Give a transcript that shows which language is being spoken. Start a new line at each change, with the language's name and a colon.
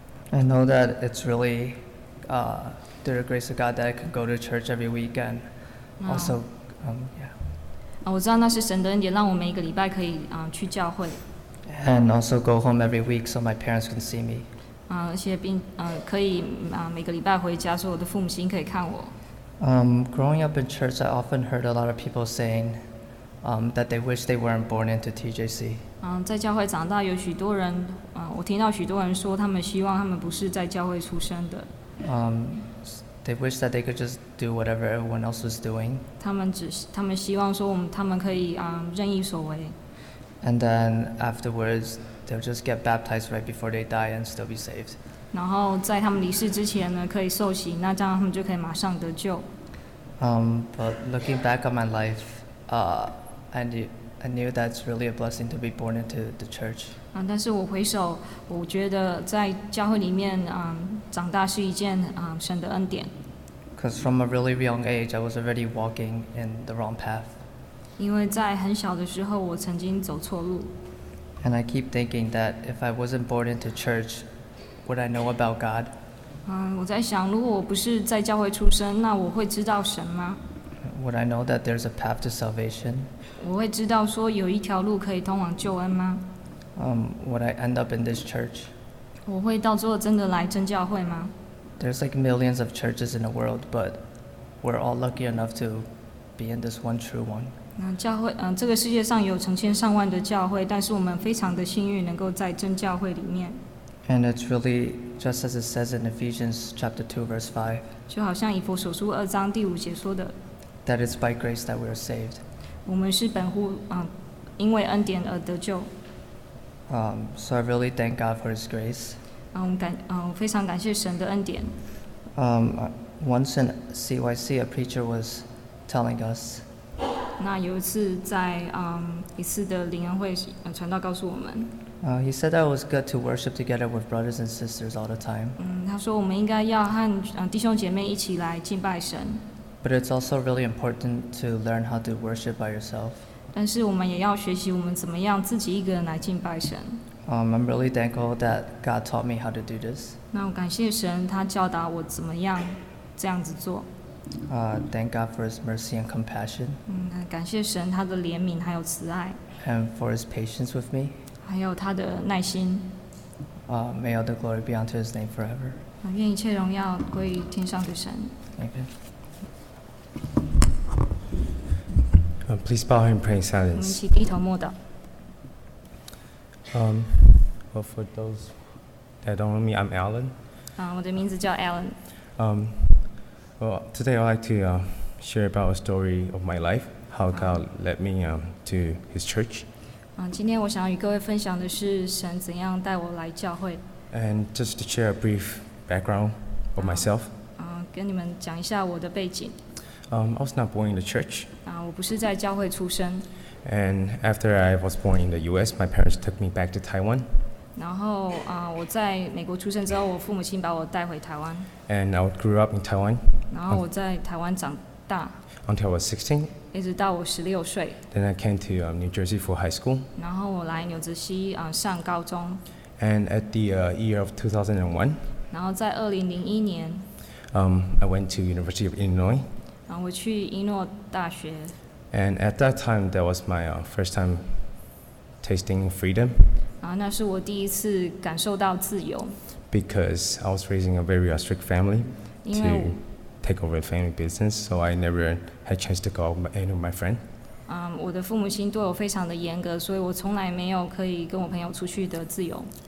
English: I know that it's really through the grace of God that I can go to church every week and also, yeah.
Chinese: 我知道那是神的恩典，让我每个礼拜可以去教会。
English: And also go home every week so my parents can see me.
Chinese: 而且并可以每个礼拜回家，所以我的父母亲可以看我。
English: Growing up in church, I often heard a lot of people saying, that they wish they weren't born into TJC.
Chinese: 在教会长大有许多人。我听到许多人说，他们希望他们不是在教会出生的。
English: They wish that they could just do whatever everyone else was doing.
Chinese: 他们希望说他们可以任意所为。
English: And then afterwards, they'll just get baptized right before they die and still be saved.
Chinese: 然后在他们离世之前呢，可以受洗，那这样他们就可以马上得救。
English: But looking back on my life, I knew that's really a blessing to be born into the church.
Chinese: 但是我回首，我觉得在教会里面长大是一件神的恩典。
English: Because from a really young age, I was already walking in the wrong path.
Chinese: 因为在很小的时候，我曾经走错路。
English: And I keep thinking that if I wasn't born into church, would I know about God?
Chinese: 我在想，如果我不是在教会出生，那我会知道神吗？
English: Would I know that there's a path to salvation?
Chinese: 我会知道说有一条路可以通往救恩吗？
English: Would I end up in this church?
Chinese: 我会到最后真的来真教会吗？
English: There's like millions of churches in the world, but we're all lucky enough to be in this one true one.
Chinese: 这个世界上有成千上万的教会，但是我们非常的幸运能够在真教会里面。
English: And it's really just as it says in Ephesians chapter 2 verse 5.
Chinese: 就好像以弗所书二章第五节说的。
English: That it's by grace that we are saved.
Chinese: 我们是本乎因为恩典而得救。
English: So I really thank God for His grace.
Chinese: 非常感谢神的恩典。
English: Once in CYC, a preacher was telling us.
Chinese: 那有一次在一次的灵恩会，传道告诉我们。
English: He said that it was good to worship together with brothers and sisters all the time.
Chinese: 他说我们应该要和弟兄姐妹一起来敬拜神。
English: But it's also really important to learn how to worship by yourself.
Chinese: 但是我们也要学习我们怎么样自己一个人来敬拜神。
English: I'm really thankful that God taught me how to do this.
Chinese: 那我感谢神，他教导我怎么样这样子做。
English: Thank God for His mercy and compassion.
Chinese: 感谢神他的怜悯还有慈爱。
English: And for His patience with me.
Chinese: 还有他的耐心。
English: May all the glory be unto His name forever.
Chinese: 愿一切荣耀归于天上的神。
English: Amen. Please bow and pray in silence.
Chinese: 我们一起低头默祷。
English: Well, for those that don't know me, I'm Alan.
Chinese: 我的名字叫 Alan.
English: Well, today I'd like to share about a story of my life, how God led me to His church.
Chinese: 今天我想与各位分享的是神怎样带我来教会。
English: And just to share a brief background of myself.
Chinese: 跟你们讲一下我的背景。
English: I was not born in the church.
Chinese: 我不是在教会出生。
English: And after I was born in the U.S., my parents took me back to Taiwan.
Chinese: 然后我在美国出生之后，我父母亲把我带回台湾。
English: And I grew up in Taiwan.
Chinese: 然后我在台湾长大。
English: Until I was 16.
Chinese: 一直到我十六岁。
English: Then I came to New Jersey for high school.
Chinese: 然后我来纽泽西上高中。
English: And at the year of 2001.
Chinese: 然后在二零零一年。
English: I went to University of Illinois.
Chinese: 然后我去伊诺大学。
English: And at that time, that was my first time tasting freedom.
Chinese: 那是我第一次感受到自由。
English: Because I was raising a very strict family. To take over the family business, so I never had a chance to go out with any of my friends.
Chinese: 我的父母亲对我非常的严格，所以我从来没有可以跟我朋友出去的自由。